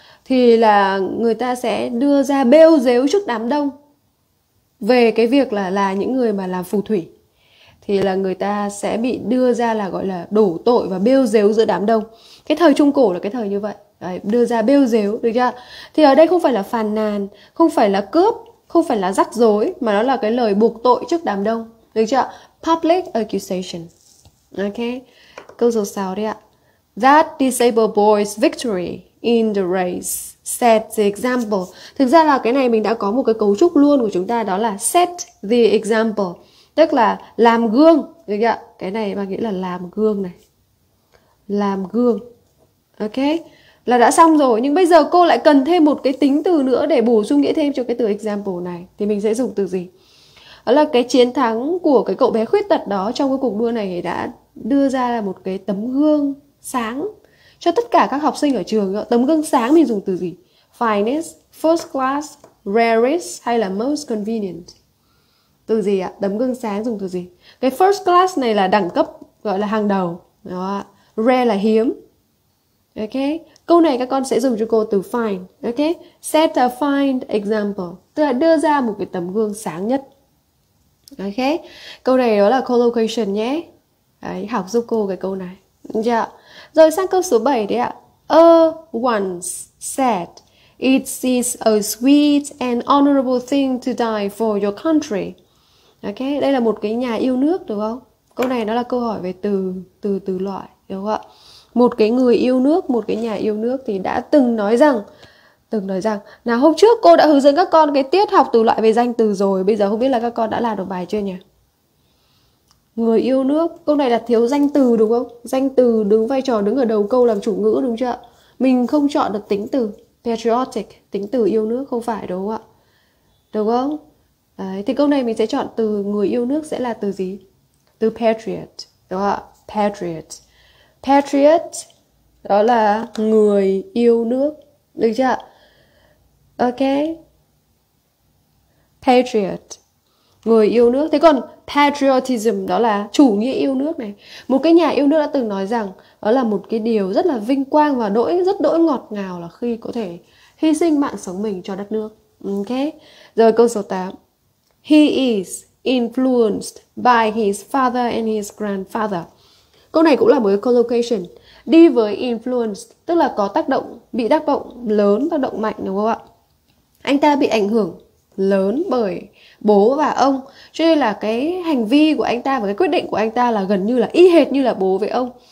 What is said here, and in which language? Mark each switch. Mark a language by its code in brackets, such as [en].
[vi] Thì là người ta sẽ đưa ra bêu rếu trước đám đông về cái việc là những người mà làm phù thủy, thì là người ta sẽ bị đưa ra là gọi là đổ tội và bêu rếu giữa đám đông. Cái thời trung cổ là cái thời như vậy. Đấy, đưa ra bêu rếu, được chưa? Thì ở đây không phải là phàn nàn, không phải là cướp, không phải là rắc rối, mà nó là cái lời buộc tội trước đám đông, được chưa? [en] Public accusation. [vi] Ok. Câu số 6 đi ạ. [en] That disabled boy's victory in the race set the example. [vi] Thực ra là cái này mình đã có một cái cấu trúc luôn của chúng ta, đó là set the example, tức là làm gương, được chưa? Cái này mà nghĩa là làm gương này, làm gương, ok, là đã xong rồi. Nhưng bây giờ cô lại cần thêm một cái tính từ nữa để bổ sung nghĩa thêm cho cái từ example này, thì mình sẽ dùng từ gì? Đó là cái chiến thắng của cái cậu bé khuyết tật đó trong cái cuộc đua này đã đưa ra là một cái tấm gương sáng cho tất cả các học sinh ở trường. Tấm gương sáng mình dùng từ gì? Finest, first class, rarest hay là most convenient? Từ gì ạ? Tấm gương sáng dùng từ gì? Cái first class này là đẳng cấp, gọi là hàng đầu, đó. Rare là hiếm. Ok. Câu này các con sẽ dùng cho cô từ find. Ok. [en] Set a find example. [vi] Tức là đưa ra một cái tấm gương sáng nhất. Ok. Câu này đó là collocation nhé. Đấy, học giúp cô cái câu này. Dạ. Rồi sang câu số 7 đấy ạ. [en] A once said, "It is a sweet and honorable thing to die for your country." [vi] Ok, đây là một cái nhà yêu nước đúng không? Câu này nó là câu hỏi về từ từ từ loại đúng không ạ? Một cái người yêu nước, một cái nhà yêu nước thì đã từng nói rằng là hôm trước cô đã hướng dẫn các con cái tiết học từ loại về danh từ rồi, bây giờ không biết là các con đã làm được bài chưa nhỉ? Người yêu nước, câu này là thiếu danh từ đúng không? Danh từ đứng vai trò đứng ở đầu câu làm chủ ngữ đúng chưa? Mình không chọn được tính từ patriotic, tính từ yêu nước không phải đúng không ạ? Đúng không? Đấy, thì câu này mình sẽ chọn từ người yêu nước sẽ là từ gì? Từ patriot, đúng không ạ? Patriot. Patriot đó là người yêu nước, được chưa? Ok. Patriot. Người yêu nước. Thế còn patriotism đó là chủ nghĩa yêu nước này. Một cái nhà yêu nước đã từng nói rằng đó là một cái điều rất là vinh quang và rất đỗi ngọt ngào là khi có thể hy sinh mạng sống mình cho đất nước. Ok. Rồi câu số 8. [en] He is influenced by his father and his grandfather. [vi] Câu này cũng là một collocation. Đi với influenced tức là có tác động, bị tác động lớn, tác động mạnh đúng không ạ? Anh ta bị ảnh hưởng lớn bởi bố và ông, cho nên là cái hành vi của anh ta và cái quyết định của anh ta là gần như là y hệt như là bố với ông.